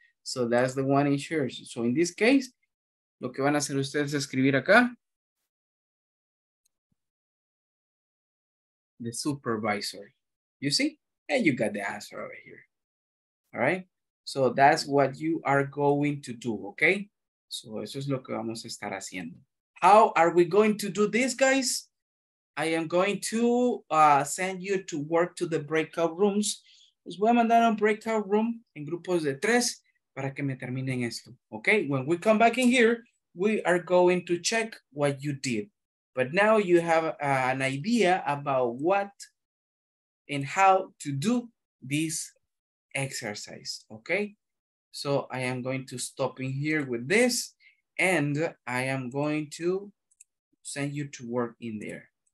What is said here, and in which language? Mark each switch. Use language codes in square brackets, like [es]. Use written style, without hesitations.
[en] So that's the one in charge. So in this case, [es] lo que van a hacer ustedes es escribir acá, [en] the supervisor, you see? And you got the answer over here, all right? So that's what you are going to do, okay? [es] So eso es lo que vamos a estar haciendo. [en] How are we going to do this, guys? I am going to send you to work to the breakout rooms. [es] Les voy a mandar a un breakout room en grupos de tres para que me terminen esto, okay? [en] When we come back in here, we are going to check what you did. But now you have an idea about what and how to do this exercise, okay? So I am going to stop in here with this and I am going to send you to work in there.